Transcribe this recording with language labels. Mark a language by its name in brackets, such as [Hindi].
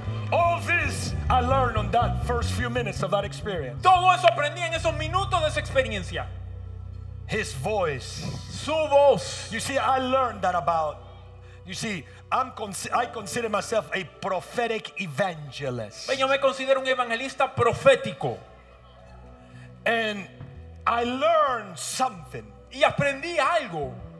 [English] All this I learned on that first few minutes of that experience. [Spanish] Todo eso aprendí en esos minutos de esa experiencia. [English] His voice. [Spanish] Su voz. [English] You see, I learned that about. You see, I consider myself a prophetic evangelist. [Spanish] Ven, yo me considero un evangelista profético. [English] And I learned something. [Spanish] Y aprendí algo.